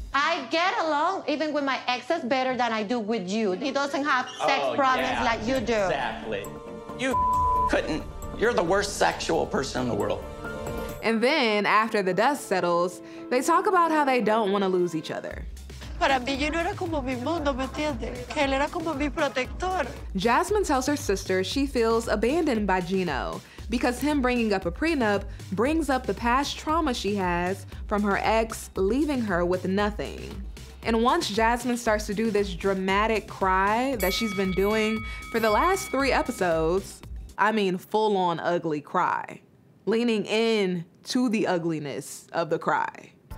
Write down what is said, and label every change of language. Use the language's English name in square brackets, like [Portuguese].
[English] I get along even with my exes better than I do with you. He doesn't have sex problems like you do. Exactly. You couldn't. You're the worst sexual person in the world. And then, after the dust settles, they talk about how they don't want to lose each other. [Spanish] Para mí, yo no era como mi mundo, ¿me entiendes? Él era como mi protector. [English] Jasmine tells her sister she feels abandoned by Gino because him bringing up a prenup brings up the past trauma she has from her ex leaving her with nothing. And once Jasmine starts to do this dramatic cry that she's been doing for the last three episodes, I mean full-on ugly cry, leaning in to the ugliness of the cry.